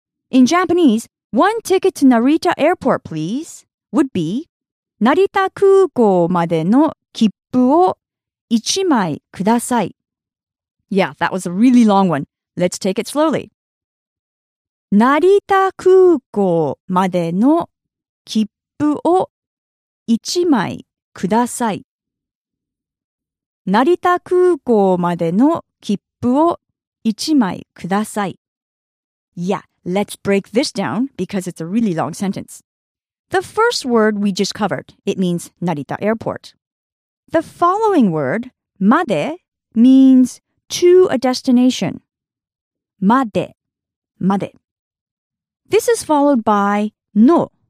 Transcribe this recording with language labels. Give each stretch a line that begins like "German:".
English: In Japanese, one ticket to Narita Airport, please, would be
Japanese: Narita Kūkō made no kippu wo ichimai kudasai.
English: Yeah, that was a really long one. Let's take it slowly.
Japanese: Narita Kūkō made no kippuを一枚ください。成田空港までの切符を一枚ください。
English: Yeah, let's break this down because it's a really long sentence. The first word we just covered, it means 成田 airport. The following word, まで, means to a destination.
Japanese: まで、まで。
English: This is followed by の。